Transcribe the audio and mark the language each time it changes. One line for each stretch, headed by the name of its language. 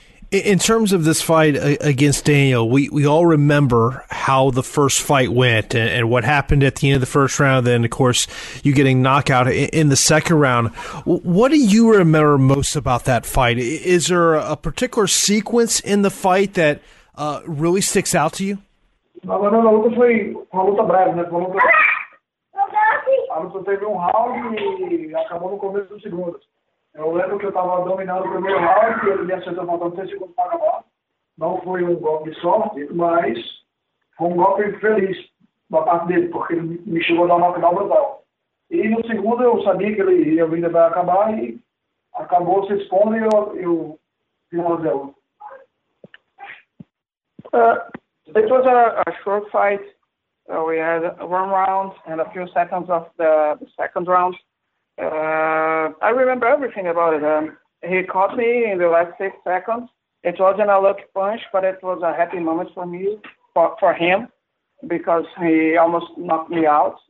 English: In terms of this fight against Daniel, we all remember how the first fight went and what happened at the end of the first round. Then, of course, you getting knockout in the second round. What do you remember most about that fight? Is there a particular sequence in the fight that really sticks out to you?
Portuguese: A luta foi uma luta breve, né? A luta teve um round e acabou no começo do segundo. Eu lembro que eu estava dominando o primeiro round e ele me acertou faltando 3 segundos para acabar. Não foi um golpe sorte, mas foi um golpe infeliz da parte dele, porque ele me chegou a dar uma final brutal. E no segundo eu sabia que ele ia vir para acabar e acabou se expondo e eu fiz 1-0.
English: It was a short fight. We had one round and a few seconds of the second round. I remember everything about it. He caught me in the last 6 seconds. It wasn't a lucky punch, but it was a happy moment for me, for him, because he almost knocked me out.